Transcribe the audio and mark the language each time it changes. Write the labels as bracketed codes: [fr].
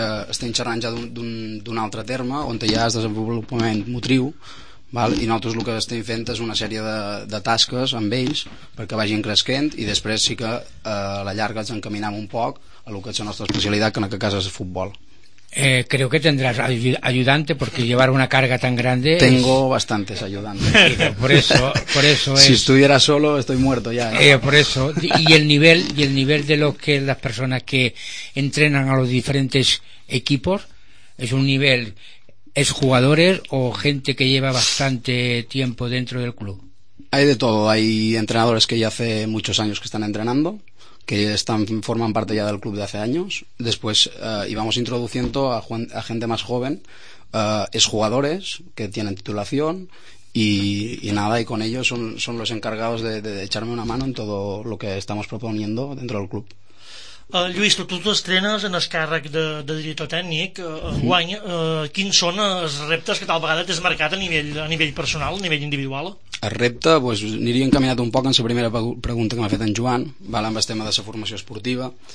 [ca] Estem xerrant ja d'un altre terme on hi ha el desenvolupament motriu, vale? I nosaltres el que estem fent és una sèrie de tasques amb ells perquè vagin cresquent, i després sí que a la llarga ens encaminem un poc a el que és la nostra especialitat, que en aquest cas és el futbol. [es] Creo que tendrás ayudante, porque llevar una carga tan grande. Tengo bastantes ayudantes. Por eso es... Si estuviera solo, estoy muerto ya, ¿no? Por eso. Y el nivel de lo que las personas que entrenan a los diferentes equipos, es un nivel, ¿es jugadores o gente que lleva bastante tiempo dentro del club? Hay de todo. Hay entrenadores que ya hace muchos años que están entrenando, que están, forman parte ya del club de hace años. Después íbamos introduciendo a gente más joven, es jugadores que tienen titulación y nada, y con ellos son los encargados de echarme una mano en todo lo que estamos proponiendo dentro del club. [ca] Lluís, tu t'estrenes en el càrrec de director tècnic, guany, quins són els reptes que tal vegada t'has marcat a nivell personal, a nivell individual? El repte, pues, aniria encaminat un poc en la primera pregunta que m'ha fet en Joan, vale, amb el tema de la formació esportiva.